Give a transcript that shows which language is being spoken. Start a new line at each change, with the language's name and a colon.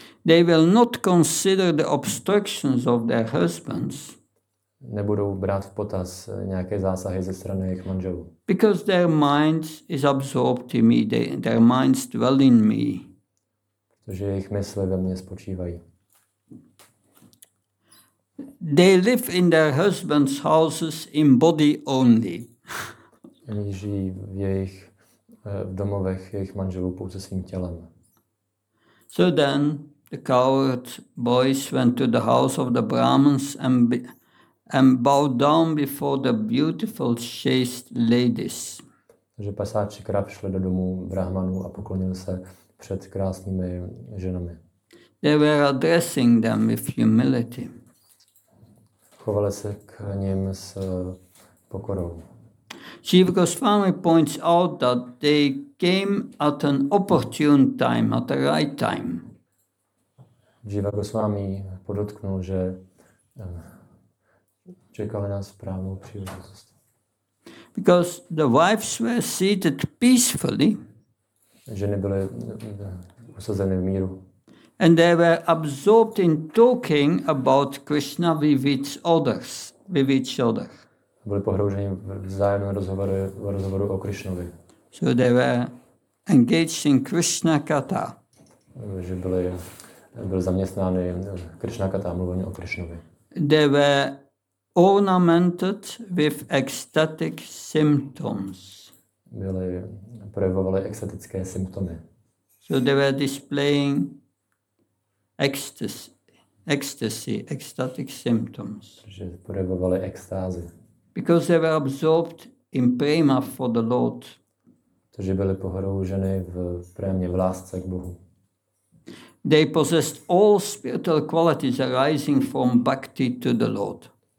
English: They will not consider the obstructions of their husbands.
Czech: Nebudou brát v potaz nějaké zásahy ze strany jejich manželů.
English: Because their minds is absorbed in me, their minds dwell in me.
Czech: Protože jejich mysli ve mně spočívají.
English: They live in their husband's houses in body only.
Czech: Oni žijí v jejich domovech, jejich manželů pouze svým tělem.
English: So then the coward boys went to the house of the Brahmins and bowed down before the beautiful chaste ladies.
Czech: Takže pasáči krav šli do domu brahmanů a poklonil se před krásnými ženami.
English: They were addressing them with humility.
Czech: Chovali se k ním s pokorou.
English: Chief Goswami points out that they came at an opportune time, at the right time.
Czech: Jiva Goswami podotknul, že čekali na správnou příležitost.
English: Because the wives were seated peacefully.
Czech: Ženy byly usazeny v míru.
English: And they were absorbed in talking about Krishna with each other.
Czech: Byli pohrouženi v vzájemném rozhovoru o Krishnovi.
English: So they were engaged in Krishna katha.
Czech: Že byl zaměstnány Krishna katha, mluvení o Krishnovi.
English: They were ornamented with ecstatic symptoms.
Czech: Projevovali ecstatické symptomy.
English: So they were displaying ecstasy, ecstatic symptoms.
Czech: Že projevovali extázy.
English: Because they were absorbed in prema for the Lord.
Czech: Protože byli pohrouženi v prémě, v lásce k Bohu.
English: They possessed all spiritual qualities arising from bhakti to the Lord.